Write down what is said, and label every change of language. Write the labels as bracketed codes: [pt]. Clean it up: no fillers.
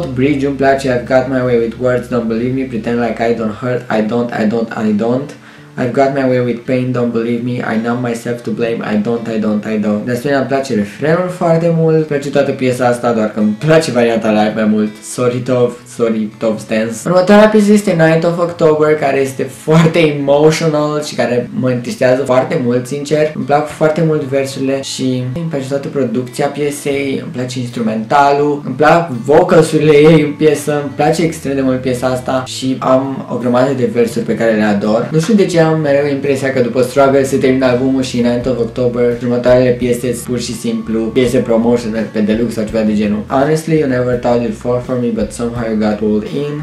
[ro] Tot bridge îmi place, [en] "I've got my way with words, don't believe me, pretend like I don't hurt, I don't, I don't, I don't. I've got my way with pain, don't believe me, I numb myself to blame, I don't, I don't, I don't." [ro] De asemenea, îmi place refrenul foarte mult, îmi place toată piesa asta, doar că îmi place varianta live mai mult. [en] Sorry Tov, sorry Tov Stance. [ro] Următoarea piesă este 9th of October, care este foarte emotional și care mă întristează foarte mult, sincer. Îmi plac foarte mult versurile și îmi place toată producția piesei, îmi place instrumentalul, îmi plac vocals-urile ei în piesă, îmi place extrem de mult piesa asta și am o grămadă de versuri pe care le ador. Nu știu de ce am mereu impresia că după Struggle se termină albumul și 9th of October următoarele piese sunt pur și simplu piese promotional pe deluxe sau ceva de genul. [en] "Honestly, you never thought you'd fall for me, but somehow you got pulled in.